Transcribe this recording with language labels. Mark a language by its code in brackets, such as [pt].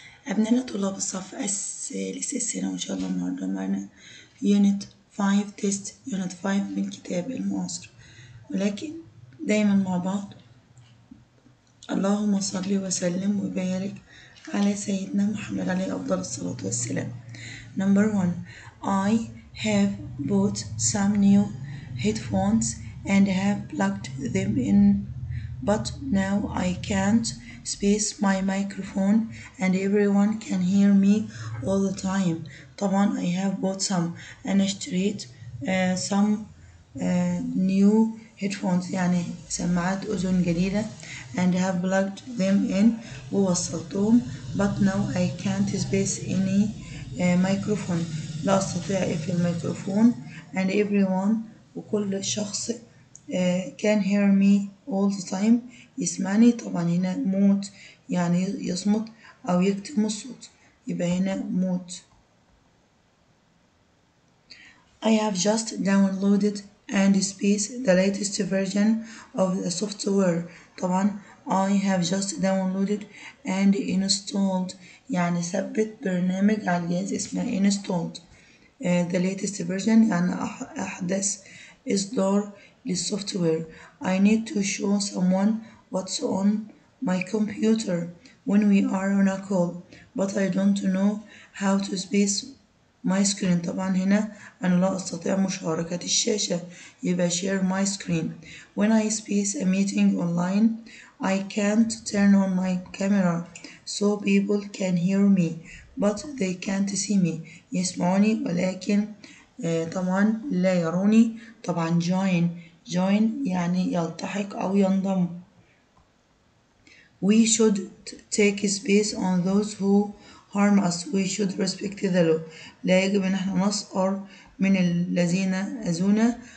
[ar] أبناء طلاب الصف الثالث السنة، إن شاء الله النهاردة معنا يونت 5 تيست يونت 5 من كتاب المعاصر، ولكن دايما مع بعض. اللهم صل وسلم وبارك على سيدنا محمد عليه أفضل الصلاة والسلام. [en] Number 1. I have bought some new headphones and have plugged them in, but now I can't space my microphone and everyone can hear me all the time. [ar] طبعا [en] I have bought some. [ar] أنا اشتريت [en] some new headphones، [ar] يعني سماعات أذن جديدة. [en] And have plugged them in، [ar] ووصلتهم. [en] But now I can't space any microphone، [ar] لا أستطيع أقفل الميكروفون. [en] And everyone، [ar] وكل شخص [en] can hear me all the time، [ar] يسمعني. طبعا هنا موت يعني يصمت أو يكتم الصوت، يبقى هنا موت. [en] I have just downloaded and space the latest version of the software. [ar] طبعا [en] I have just downloaded and installed، [ar] يعني ثبت برنامج على الجهاز اسمه [en] installed the latest version، [ar] يعني أحدث إصدار للsoftware. [en] I need to show someone what's on my computer when we are on a call, but I don't know how to space my screen. [ar] طبعا هنا أنا لا أستطيع مشاركة الشاشة، يبقى [en] share my screen. When I space a meeting online, I can't turn on my camera so people can hear me, but they can't see me. [ar] يسمعوني ولكن طبعا لا يروني. طبعا join، join يعني يلتحق أو ينضم. [en] We should take space on those who harm us. We should respect the law. [ar] لا يجب أن احنا نصقر من الذين أذونا.